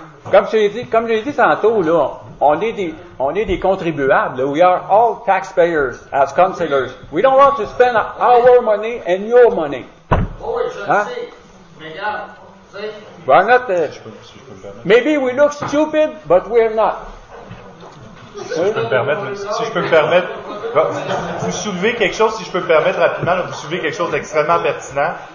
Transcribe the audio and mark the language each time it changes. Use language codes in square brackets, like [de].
[fr] Comme je l'ai dit tantôt, là, on est des contribuables. [en] We are all taxpayers as councillors. We don't want to spend our money and your money. [fr] Oui, je le sais. Mais regarde, [en] maybe we look stupid, but we're not. [fr] Si je peux me permettre rapidement, vous soulevez quelque chose d'extrêmement pertinent.